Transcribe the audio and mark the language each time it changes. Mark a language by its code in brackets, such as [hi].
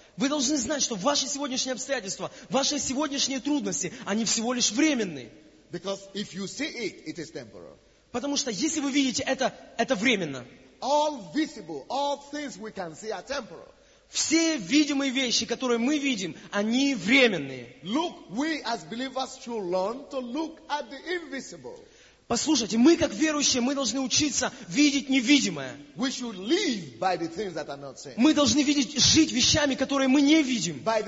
[ru] Вы должны знать, что ваши сегодняшние обстоятельства, ваши сегодняшние трудности, они всего лишь временные. [en] Because if you see it, it is temporal. [ru] Потому что если вы видите это временно. [en] All visible, all things we can see are temporal. [ru] Все видимые вещи, которые мы видим, они временные. [en] Look, we as believers should learn to look at the invisible. [ru] Послушайте, мы как верующие, мы должны учиться видеть невидимое. Мы должны видеть, жить вещами, которые мы не видим.